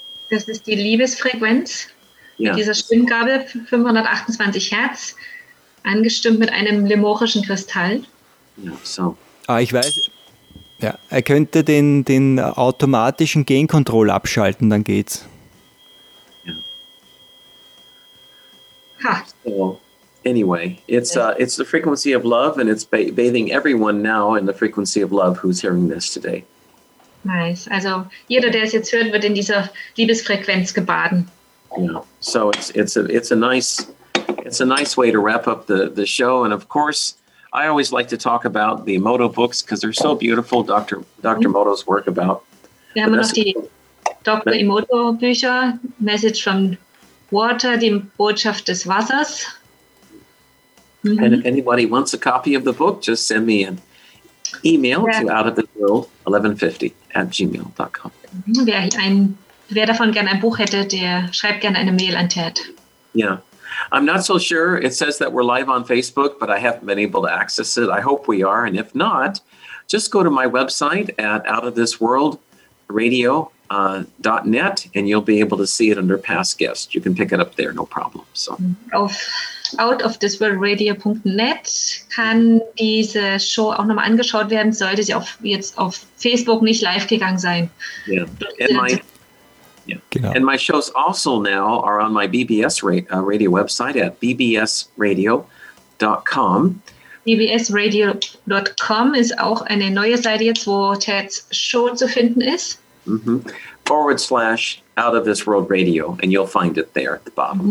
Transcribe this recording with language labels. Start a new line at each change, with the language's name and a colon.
German: Das ist die Liebesfrequenz mit dieser Stimmgabel, 528 Hertz, angestimmt mit einem lemurischen Kristall. Ja, so. Ah, ich weiß. Ja, er könnte den automatischen Gain-Control abschalten, dann geht's.
English: So, anyway, it's the frequency of love, and it's bathing everyone now in the frequency of love who's hearing this today. Nice.
German: Also, jeder, der es jetzt hört, wird in dieser Liebesfrequenz gebaden.
English: Yeah. So it's a nice way to wrap up the show. And of course, I always like to talk about the Modo books because they're so beautiful. Dr. Modo's work about.
German: Wir haben noch die Dr. Emoto Bücher, Message from Water, die Botschaft des Wassers. Mm-hmm.
English: And if anybody wants a copy of the book, just send me an email to outoftheworld1150@gmail.com.
German: Wer davon gerne ein Buch hätte, der schreibt gerne eine Mail an Ted.
English: Yeah. I'm not so sure. It says that we're live on Facebook, but I haven't been able to access it. I hope we are. And if not, just go to my website at outoftheworldradio.net and you'll be able to see it under past guests. You can pick it up there, no problem. So
German: auf outoftheworldradio.net kann diese Show auch nochmal angeschaut werden, sollte sie auch jetzt auf Facebook nicht live gegangen sein.
English: Yeah. Genau. And my shows also now are on my BBS radio website at bbsradio.com.
German: bbsradio.com ist auch eine neue Seite jetzt, wo Ted's Show zu finden ist.
English: /outoftheworldradio, and you'll find it there at the bottom.